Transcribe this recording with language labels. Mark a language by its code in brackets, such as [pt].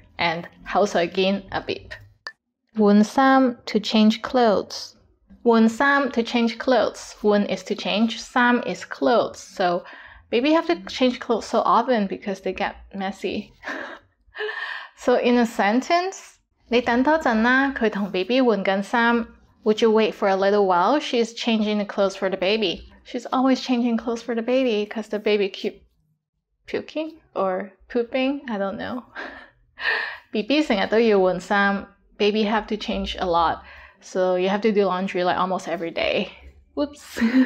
[en] And [yue] 口水巾, [en] a beep. [yue] 換衫, [en] to change clothes. [yue] 換衫, [en] to change clothes. [yue] 換 [en] is to change, [yue] 衫 [en] is clothes. So baby have to change clothes so often because they get messy. So in a sentence, [yue] 你等多陣啊, 佢同BB換緊衫. [en] Would you wait for a little while? She's changing the clothes for the baby. She's always changing clothes for the baby because the baby keep puking or pooping. I don't know. [yue] BB經常都要換衫. [en] Baby have to change a lot. So you have to do laundry like almost every day. Whoops.